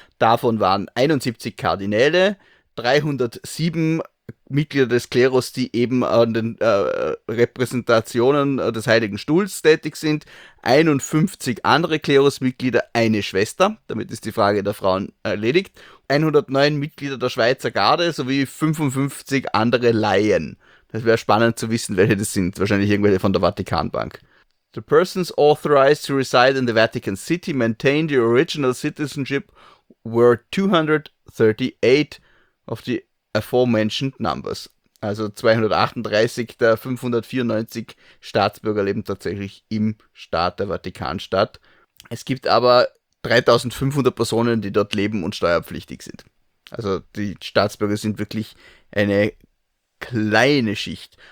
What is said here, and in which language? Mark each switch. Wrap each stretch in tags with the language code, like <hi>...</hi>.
<de>Davon waren 71 Kardinäle, 307 Mitglieder des Klerus, die eben an den Repräsentationen des Heiligen Stuhls tätig sind, 51 andere Klerusmitglieder, eine Schwester, damit ist die Frage der Frauen erledigt, 109 Mitglieder der Schweizer Garde sowie 55 andere Laien. Das wäre spannend zu wissen, welche das sind, wahrscheinlich irgendwelche von der Vatikanbank.</de> <en>The persons authorized to reside in the Vatican City maintain the original citizenship were 238 of the aforementioned numbers.</en> <de>Also 238 der 594 Staatsbürger leben tatsächlich im Staat der Vatikanstadt. Es gibt aber 3500 Personen, die dort leben und steuerpflichtig sind. Also die Staatsbürger sind wirklich eine kleine Schicht.</de>